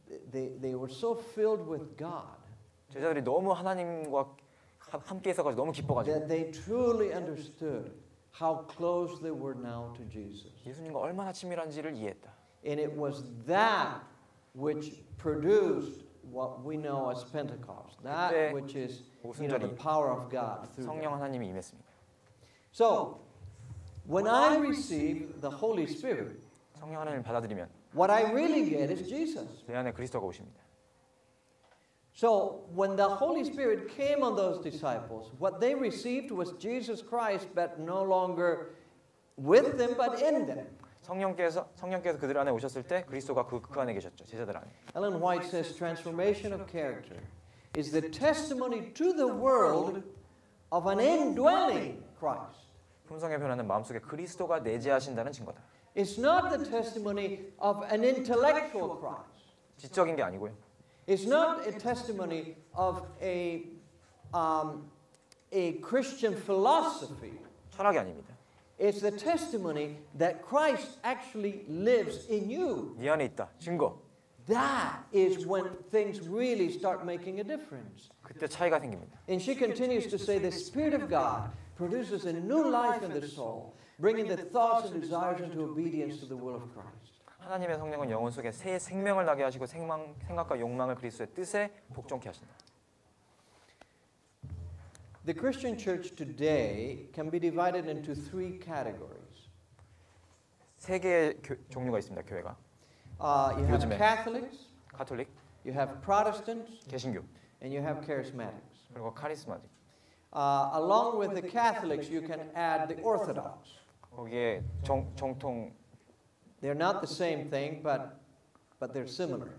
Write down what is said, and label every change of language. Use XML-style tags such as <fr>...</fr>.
<en>They were so filled with God.</en> <ko>제자들이 너무 하나님과 함께해서가지고 너무 기뻐가지고.</ko> <en>That they truly understood how close they were now to Jesus.</en> <ko>예수님과 얼마나 친밀한지를 이해했다.</ko> <en>And it was that which produced what we know as Pentecost, that which is you know, the power of God through</en> <ko>성령 하나님이 임했습니다.</ko> <en>So, when I receive the Holy Spirit,</en> <ko>성령 하나님을 받아들이면,</ko> <en>what I really get is Jesus.</en> <ko>내 안에 그리스도가 오십니다.</ko> <en>So, when the Holy Spirit came on those disciples, what they received was Jesus Christ, but no longer with them, but in them.</en> <ko>성령께서 그들 안에 오셨을 때 그리스도가 그 안에 계셨죠. 제자들 안에.</ko> <en>Ellen White says transformation of character is the testimony to the world of an indwelling Christ.</en> <ko>품성의 변화는 마음속에 그리스도가 내재하신다는 증거다.</ko> <en>It's not the testimony of an intellectual Christ.</en> <ko>지적인 게 아니고요.</ko> <en>It's not a testimony of a Christian philosophy.</en> <ko>철학이 아닙니다.</ko> <en>It's the testimony that Christ actually lives in you.</en> <ko>네 안에 있다. 증거.</ko> <en>That is when things really start making a difference.</en> <ko>그때 차이가 생깁니다.</ko> <en>And she continues to say the Spirit of God produces a new life in the soul, bringing the thoughts and desires into obedience to the will of Christ.</en> <ko>하나님의 성령은 영혼 속에 새 생명을 나게 하시고 생각과 욕망을 그리스도의 뜻에 복종케 하신다.</ko> <en>The Christian church today can be divided into three categories.</en> <ko>세 개의 종류가 있습니다, 교회가.</ko> <en>You have Catholics, Catholic. You have Protestants,</en> <ko>개신교.</ko> <en>And you have Charismatics.</en> <ko>그리고 Charismatic.</ko> <en>Along with the Catholics, you can add the Orthodox.</en> <ko>거기에 정통.</ko> <en>They're not the same thing, but they're similar.</en>